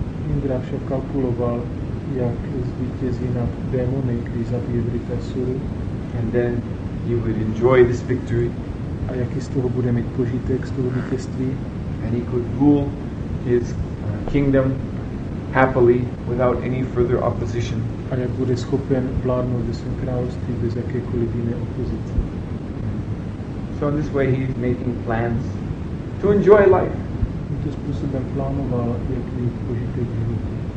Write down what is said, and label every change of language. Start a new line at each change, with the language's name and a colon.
Czech: Indra však kalkuloval, jak zvítězí nad démony, když zabije Vritrasuru.
English: And then he would enjoy this victory.
Czech: A jaký z toho bude mít požitek, z toho vítězství.
English: And he could rule his kingdom happily without any further opposition.
Czech: A jak bude schopen vládnout ve svém království bez jakékoliv jiné opozice.
English: So in this way he's making plans to enjoy life.
Czech: Tímto způsobem plánoval, jak mít požitek životě.